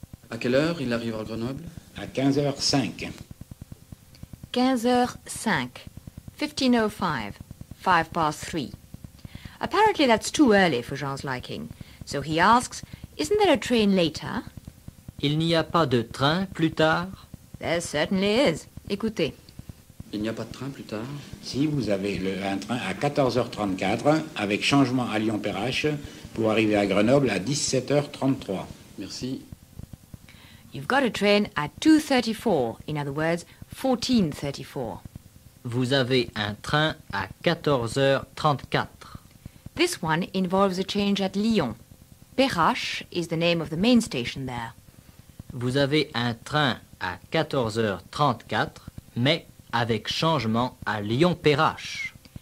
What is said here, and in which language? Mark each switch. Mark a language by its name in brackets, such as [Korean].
[French] À quelle heure il arrive à Grenoble? À 15:05. 15:05. 15:05. 3:05. [English] Apparently that's too early for Jean's liking. So he asks, isn't there a train later? [French] Il n'y a pas de train plus tard? [English] There certainly is. [French] Écoutez. Il n'y a pas de train plus tard? Si, vous avez un train à 14:34 avec changement à Lyon-Perrache pour arriver à Grenoble à 17:33. Merci. [English] You've got a train at 2:34, in other words, 14:34. [French] Vous avez un train à 14:34. [English] This one involves a change at Lyon. Perrache is the name of the main station there. [French] Vous avez un train à 14:34, mais avec changement à Lyon-Perrache.